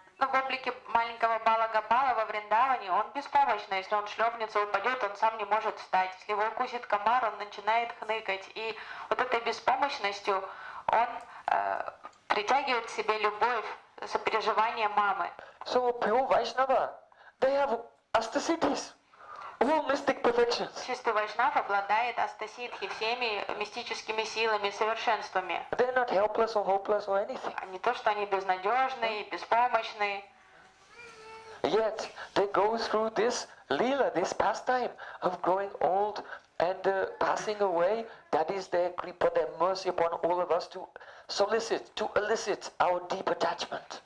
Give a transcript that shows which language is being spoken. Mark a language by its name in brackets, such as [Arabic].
[Russian] Но в облике маленького Балагопала во Вриндаване он беспомощный. Если он шлепнется, упадет, он сам не может встать. Если его укусит комар, он начинает хныкать. И вот этой беспомощностью он притягивает к себе любовь, сопереживание мамы. [English] So pure Vaishnava, they have astasiddhis, all mystic perfections. [Russian] Чистый вайшнав обладает астасиддхи, всеми мистическими силами, совершенствами. [English] They're not helpless or hopeless or anything. [Russian] Не то, что они безнадежные, беспомощные. [English] Yet they go through this lila, this pastime of growing old and passing away. That is their kripa, their mercy upon all of us to solicit, to elicit our deep attachment.